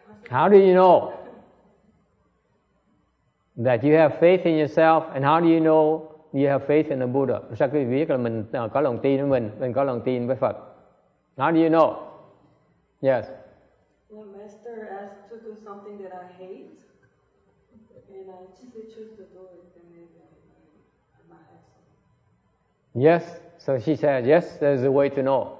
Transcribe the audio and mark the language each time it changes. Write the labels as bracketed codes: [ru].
[en] How do you know that you have faith in yourself, and how do you know you have faith in the Buddha? [vi] Sao quý vị biết là mình có lòng tin với mình có lòng tin với Phật? [en] How do you know? Yes. When master asked to do something that I hate, and I simply choose to do it, then I'm a hassle. Yes. So she said, yes, there's a way to know.